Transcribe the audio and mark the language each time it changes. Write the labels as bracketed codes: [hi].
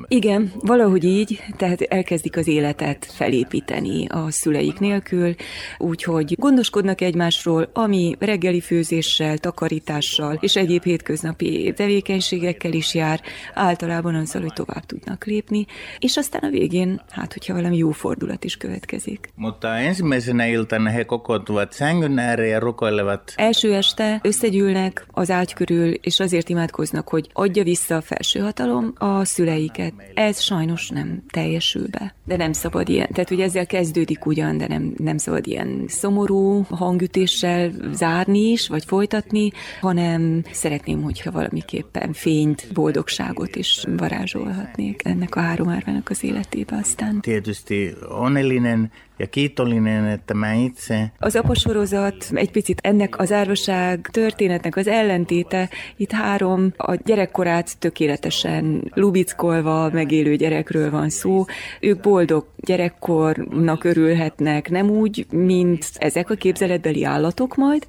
[hu] Igen, valahogy így, tehát elkezdik az életet felépíteni a szüleik nélkül, úgyhogy gondoskodnak egymásról, ami reggeli főzéssel, takarítással és egyéb hétköznapi tevékenységekkel is jár, általában azzal, hogy tovább tudnak lépni, és aztán a végén, hát hogyha valami jó fordulat is következik. [fi] Mutta ensimmäisenä iltana he kokoontuvat sängyn ääre ja rukoilevat. [hu] Első este összegyűlnek az ágy körül, és azért imádkoznak, hogy adja vissza a felső hatalom a szüleiket. Ez sajnos nem teljesül be. De nem szabad ilyen, tehát ugye ezzel kezdődik ugyan, de nem szabad ilyen szomorú hangütéssel zárni is, vagy folytatni, hanem szeretném, hogyha valamiképpen fényt, boldogságot is varázsolhatnék ennek a 3 árvának az életébe aztán. [fi] Tietysti onnellinen, ja kiitollinen, että mä itse. [hu] Az apasorozat egy picit ennek az árvaság történetnek az ellentéte. Itt 3 a gyerekkorát tökéletesen lubickolva megélő gyerekről van szó. Ők boldog gyerekkornak örülhetnek, nem úgy, mint ezek a képzeletbeli állatok majd.